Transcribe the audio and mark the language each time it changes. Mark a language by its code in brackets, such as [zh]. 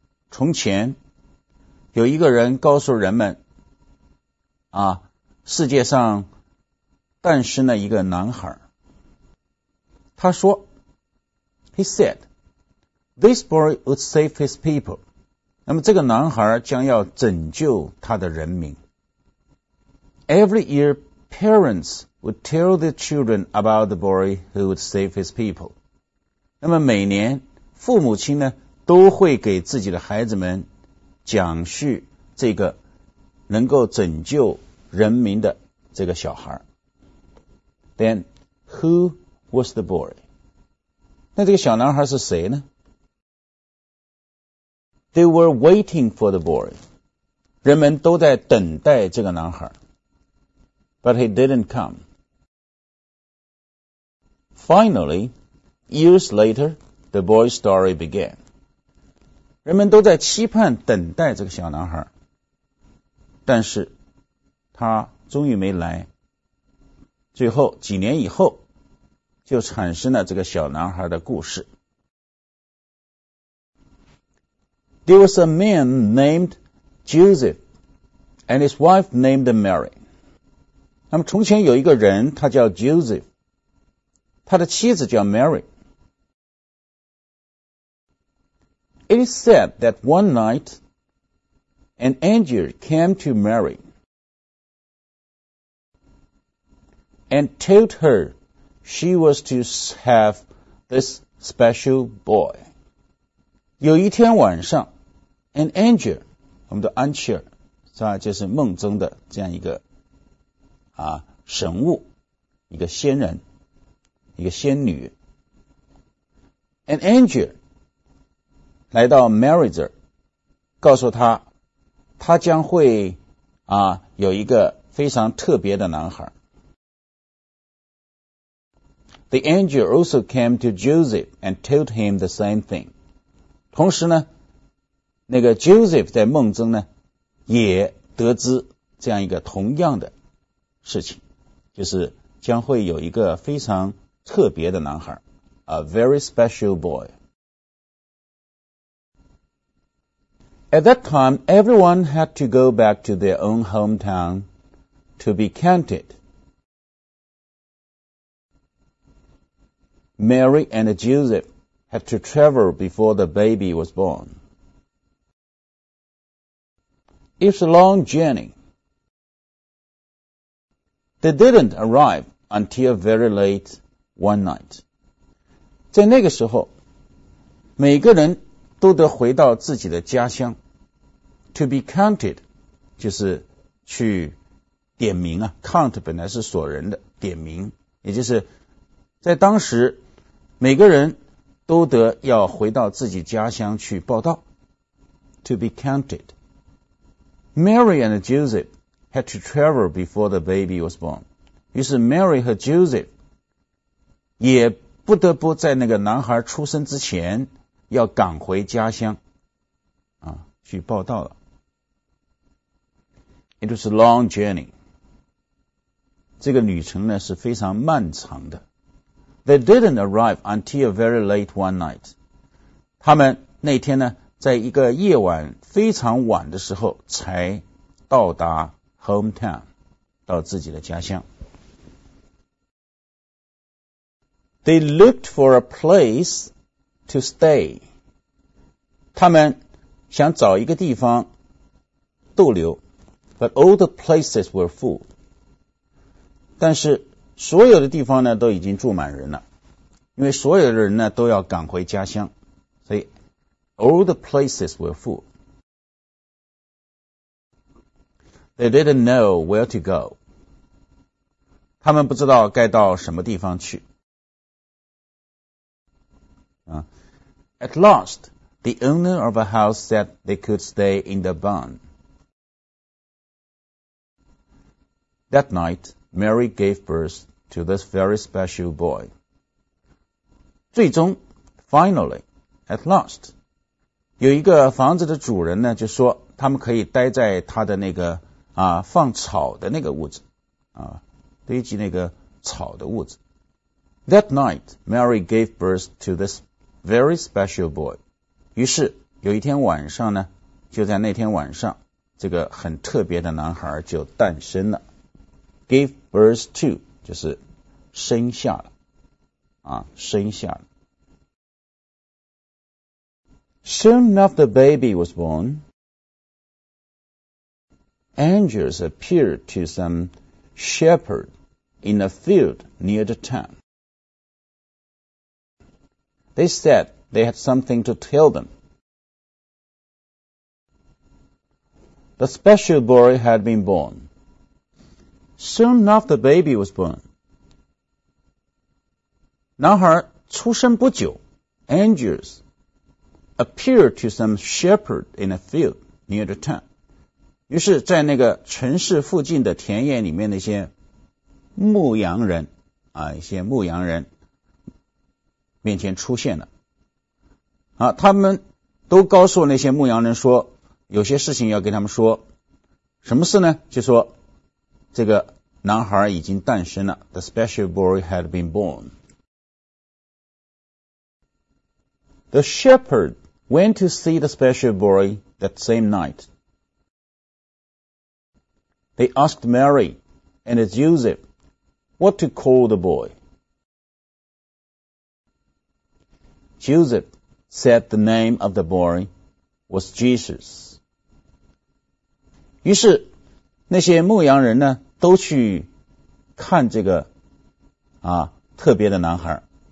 [zh] 从前有一个人告诉人们啊，世界上诞生了一个男孩。他说 [en] ,He said, this boy would save his people. [zh] 那么这个男孩将要拯救他的人民。 [en] Every year, parents would tell the children about the boy who would save his people. [zh] 那么每年父母亲呢都会给自己的孩子们讲述这个能够拯救人民的这个小孩。 [en] Then, who was the boy? [zh] 那这个小男孩是谁呢？ [en] They were waiting for the boy. [zh] 人们都在等待这个男孩。 [en] But he didn't come. Finally, years later, the boy's story began. [zh] 人们都在期盼等待这个小男孩，但是他终于没来。最后几年以后，就产生了这个小男孩的故事。 [en] There was a man named Joseph and his wife named Mary. [zh] 那么从前有一个人，他叫 Joseph， 他的妻子叫 Mary。 [en] It is said that one night, an angel came to Mary and told her she was to have this special boy. [zh] 有一天晚上 , [en] an angel, [zh] 我们的安琪尔是吧，就是梦中的这样一个啊神物，一个仙人，一个仙女。 [en] An angel, [zh] 来到 Mary 这儿，告诉他，他将会啊有一个非常特别的男孩。 [en] The angel also came to Joseph and told him the same thing. [zh] 同时呢，那个 Joseph 在梦中呢，也得知这样一个同样的事情，就是将会有一个非常特别的男孩 [en] ，a very special boy. At that time, everyone had to go back to their own hometown to be counted. Mary and Joseph had to travel before the baby was born. It's a long journey. They didn't arrive until very late one night. [zh] 在那个时候，每个人都得回到自己的家乡。 [en] To be counted, [zh] 就是去点名啊。 Count 本来是锁人的，点名，也就是在当时，每个人都得要回到自己家乡去报到。 [en] To be counted. Mary and Joseph had to travel before the baby was born. [zh] 于是 Mary 和 Joseph 也不得不在那个男孩出生之前要赶回家乡。去报道了。 [en] It was a long journey. [zh] 这个旅程呢是非常漫长的。 [en] They didn't arrive until a very late one night. [zh] 他们那天呢在一个夜晚非常晚的时候才到达 hometown, 到自己的家乡。 [en] They looked for a place to stay. [zh] 他们想找一个地方逗留 [en] ，but all the places were full. [zh] 但是所有的地方呢都已经住满人了，因为所有的人呢都要赶回家乡，所以 [en] all the places were full. They didn't know where to go. [zh] 他们不知道该到什么地方去。 [en] At last. The owner of a house said they could stay in the barn. That night, Mary gave birth to this very special boy. [zh] 最终 [en] finally, at last. [zh] 有一个房子的主人呢，就说他们可以待在他的那个啊放草的那个屋子啊，堆积那个草的屋子。 [en] That night, Mary gave birth to this very special boy. [zh] 于是有一天晚上呢，就在那天晚上，这个很特别的男孩就诞生了。 [en] Gave birth to [zh] 就是生下了啊，生下了。 [en] Soon after the baby was born, angels appeared to some shepherd in a field near the town. They said they had something to tell them. The special boy had been born. Soon after the baby was born, [zh] 男孩出生不久 [en] angels,appear to some shepherd in a field near the town. [zh] 于是在那个城市附近的田野里面，那些牧羊人啊，一些牧羊人面前出现了。啊，他们都告诉那些牧羊人说，有些事情要跟他们说。什么事呢？就说这个男孩已经诞生了。 [en] The special boy had been born. The shepherd. Went to see the special boy that same night. They asked Mary and Joseph what to call the boy. Joseph said the name of the boy was Jesus. [zh] 于是那些牧羊人呢都去看这个啊特别的男孩。